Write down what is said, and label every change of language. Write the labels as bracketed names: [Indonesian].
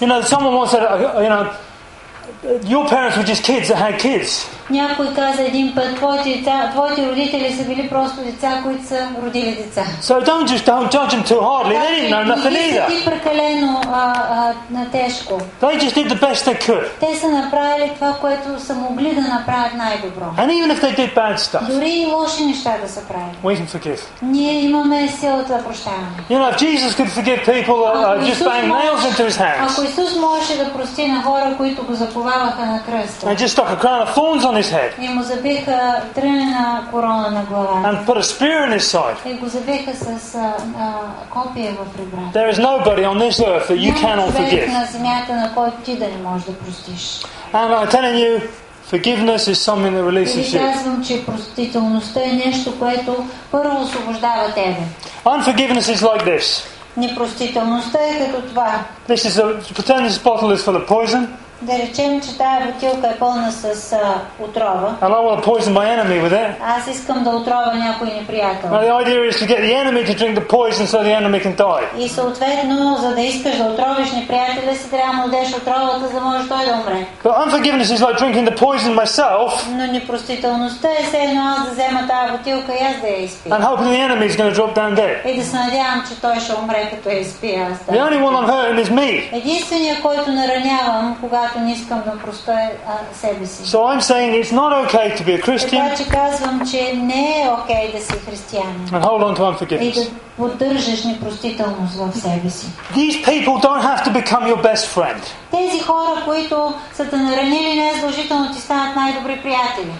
[English] You know, someone once said, you know, your parents were just kids that had kids. [Bulgarian] Някой каза един път, твоите родители са били просто деца, които са родили деца. [English] So don't judge them too hardly. They didn't know nothing either. [Bulgarian] Не ги съди прекалено на тежко. [English] They just did the best they could. [Bulgarian] Те са направили това, което са могли да направят най-добро. [English] And even if they did bad stuff. [Bulgarian] Дори и лоши неща да са правили. [English] We can forgive. [Bulgarian] Ние имаме силата да прощаваме. [English] You know, if Jesus could forgive people just banging nails into his hands. [Bulgarian] Ако Исус можеше да прости на хора, които го заповаваха на кръста. [English] And just stuck a crown of thorns on his head. [Bulgarian] И му забиха тръмена корона на главата. [English] And put a spear in his side. [Bulgarian] И го забиха с копие в ребрата. [English] There is nobody on this earth that you cannot forgive. [Bulgarian] Няма човек на земята, на който ти да не можеш да простиш. [English] And I'm telling you, forgiveness is something that releases you. [Bulgarian] Казвам, че простителността е нещо, което първо освобождава тебе. [English] Unforgiveness is like this. [Bulgarian] Непростителността е като това. [English] This is pretend this bottle is full of poison. [Bulgarian] Да речем, че тая бутилка е пълна с отрова. [English] And I want to poison my enemy with it. [Bulgarian] Аз искам да отровя някой неприятел. [English] Now the idea is to get the enemy to drink the poison so the enemy can die. [Bulgarian] И съответно, за да искаш да отровиш неприятеля си, трябва да дадеш отровата, за да може той да умре. [English] But unforgiveness is like drinking the poison myself. [Bulgarian] Но непростителността е все едно аз да взема тая бутилка и аз да я изпия. [English] And hoping the enemy is going to drop down dead. [Bulgarian] И да се надявам, че той ще умре, като я изпия аз. [English] The only one I'm hurting is me. [Bulgarian] Единствения, който наранявам, когато не искам да проста себе си. [English] So I'm saying it's not okay to be a Christian. [Bulgarian] Така че казвам, че не е окей да си християнин. [English] And hold on to unforgiveness. [Bulgarian] И да поддържаш непростителност в себе си. [English] These people don't have to become your best friend. [Bulgarian] Тези хора, които са те наранили, не е задължително ти станат най-добри приятели.